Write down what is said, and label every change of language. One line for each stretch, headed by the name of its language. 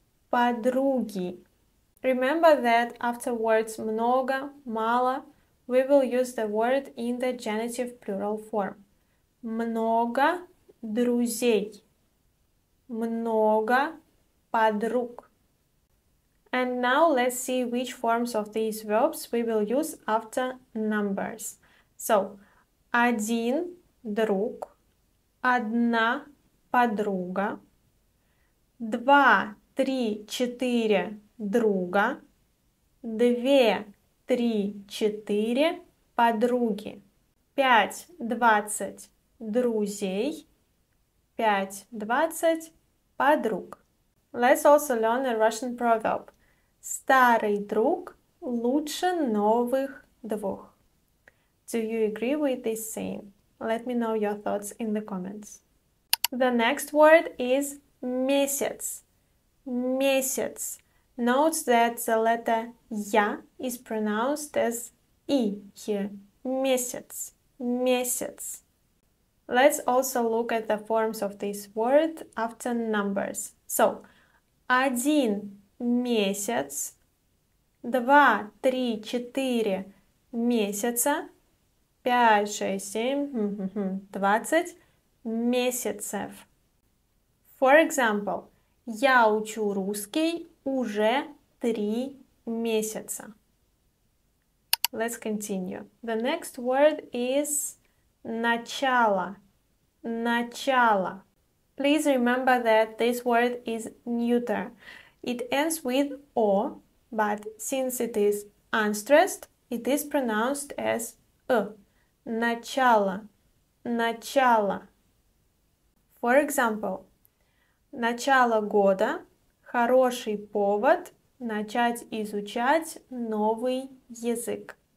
English: Подруги. Remember that afterwards много, мало, we will use the word in the genitive plural form.
Russian: Много друзей. Много подруг.
English: And now let's see which forms of these verbs we will use after numbers.
Russian: So, один друг, одна подруга, два, три, четыре друга, две, три, четыре подруги, пять, двадцать друзей, пять, двадцать подруг.
English: Let's also learn a Russian proverb.
Russian: Старый друг лучше новых двух.
English: Do you agree with this saying? Let me know your thoughts in the comments. The next word is месяц. Месяц. Note that the letter Я is pronounced as И here.
Russian: Месяц. Месяц.
English: Let's also look at the forms of this word after numbers.
Russian: So, один месяц, два, три, четыре месяца, пять, шесть, семь, двадцать месяцев.
English: For example,
Russian: я учу русский уже три месяца.
English: Let's continue. The next word is начало. Начало. Please remember that this word is neuter. It ends with O, but since it is unstressed, it is pronounced as Ы.
Russian: Начало. Начало.
English: For example,
Russian: начало года – хороший повод начать изучать новый язык.